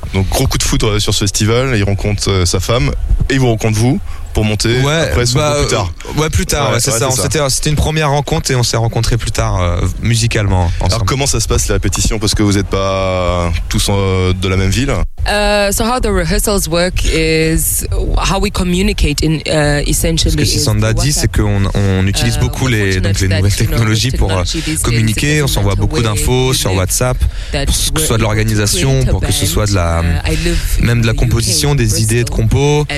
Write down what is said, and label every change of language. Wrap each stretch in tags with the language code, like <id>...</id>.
<fr>Donc, gros coup de foudre sur ce festival. Il rencontre sa femme et il vous rencontre vous pour monter après son go plus tard. Ouais, plus tard, c'est ça. C'était une première rencontre et on s'est rencontrés plus tard musicalement ensemble. Alors, comment ça se passe la répétition? Parce que vous n'êtes pas tous de la même ville.</fr> <en>So how the rehearsals work is how we communicate in essentially.</en> <fr>Ce que Sisanda dit, c'est qu'on utilise beaucoup les nouvelles technologies pour communiquer. On s'envoie beaucoup d'infos sur WhatsApp, que ce soit de l'organisation, pour que ce soit même de la composition, des idées de compo.</fr>